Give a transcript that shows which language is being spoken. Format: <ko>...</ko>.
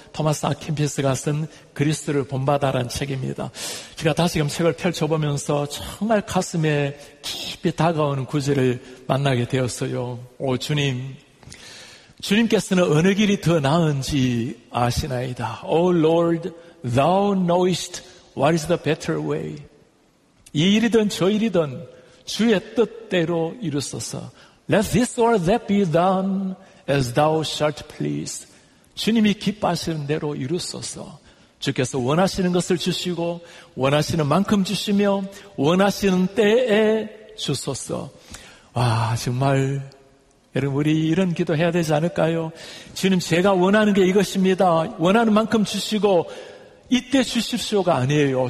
<ko>토마스 아퀸피스가 쓴 그리스도를 본받아라는 책입니다. 제가 다시금 책을 펼쳐보면서 정말 가슴에 깊이 다가오는 구절을 만나게 되었어요. 오 주님, 주님께서는 어느 길이 더 나은지 아시나이다.</ko> <en>O Lord, Thou knowest what is the better way.</en> <ko>이 일이든 저 일이든 주의 뜻대로 이루소서.</ko> <en>Let this or that be done as thou shalt please.</en> <ko>주님이 기뻐하시는 대로 이루소서. 주께서 원하시는 것을 주시고 원하시는 만큼 주시며 원하시는 때에 주소서. 와, 정말 여러분 우리 이런 기도해야 되지 않을까요? 주님, 제가 원하는 게 이것입니다. 원하는 만큼 주시고 이때 주십시오가 아니에요.</ko>